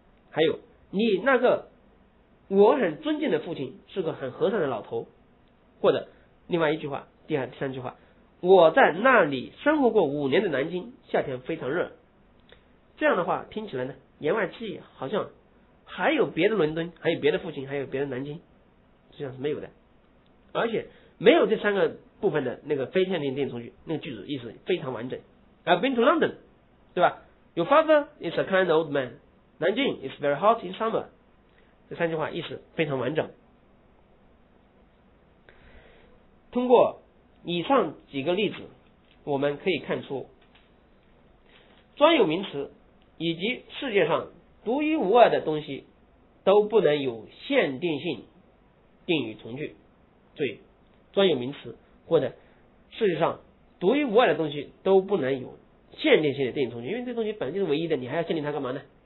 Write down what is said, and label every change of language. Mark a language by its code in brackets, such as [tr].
[zh] 还有你那个我很尊敬的父亲是个很和善的老头，或者另外一句话，第三句话，我在那里生活过5年的南京夏天非常热，这样的话听起来呢，言外之意好像还有别的伦敦，还有别的父亲，还有别的南京，实际上是没有的，而且没有这三个部分的那个非限定定语从句，那个句子意思非常完整。 [en] I've been to London， [zh] 对吧？ [en] Your father is a kind old man， 南京 is very hot in summer， [zh] 这三句话意思非常完整。通过以上几个例子，我们可以看出专有名词以及世界上独一无二的东西都不能有限定性定语从句，对，专有名词或者世界上独一无二的东西都不能有限定性的定语从句，因为这东西本来就是唯一的，你还要限定它干嘛呢？